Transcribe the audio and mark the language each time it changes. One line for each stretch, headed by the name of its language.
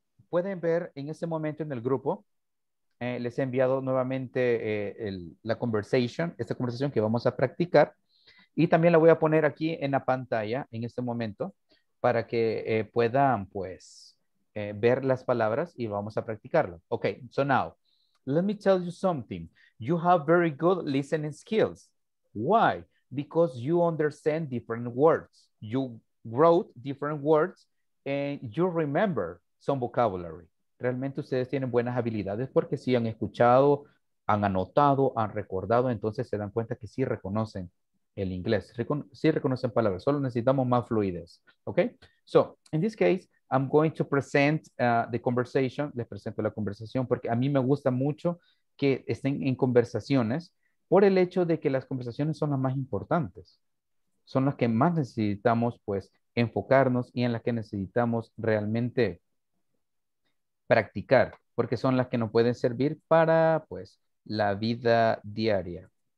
Spanish: Pueden ver en ese momento en el grupo, les he enviado nuevamente la conversation, esta conversación que vamos a practicar. Y también la voy a poner aquí en la pantalla en este momento, para que puedan, pues, ver las palabras y vamos a practicarlo.
English: Okay, so now, let me tell you something. You have very good listening skills. Why? Because you understand different words. You wrote different words and you remember some vocabulary.
Spanish: Realmente ustedes tienen buenas habilidades porque sí han escuchado, han anotado, han recordado, entonces se dan cuenta que sí reconocen el inglés. Sí reconocen palabras, solo necesitamos más fluidez. Okay?
English: So, in this case, I'm going to present the conversation.
Spanish: Les presento la conversación porque a mí me gusta mucho que estén en conversaciones por el hecho de que las conversaciones son las más importantes. Son las que más necesitamos, pues, enfocarnos y en las que necesitamos realmente practicar porque son las que nos pueden servir para, pues, la vida diaria.